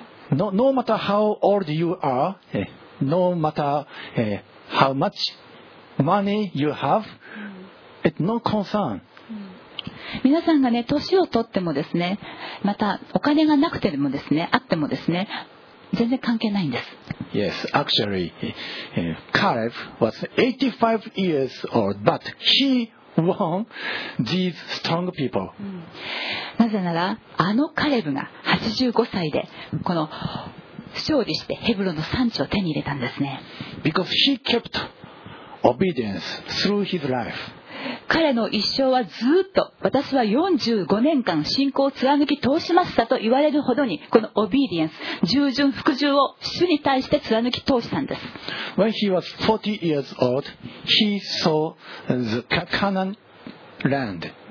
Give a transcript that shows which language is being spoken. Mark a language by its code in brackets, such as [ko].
[en] No matter how old you are, no matter how much money you have, it's no concern. [ja] 皆さんがね、年を取ってもですね、またお金がなくてもですね、あってもですね、全然関係ないんです。 [en] Yes, actually, Caleb was 85 years old, but he won these strong people. [ja] なぜなら、あのカレブが85歳でこの勝利してヘブロの産地を手に入れたんですね。 [en] Because he kept obedience through his life. [ja] 彼の一生はずっと、私は45年間信仰を貫き通しましたと言われるほどに、このオビディエンス、従順服従を主に対して貫き通したんです。 [en] When he was 40 years old, he saw the Canaan land.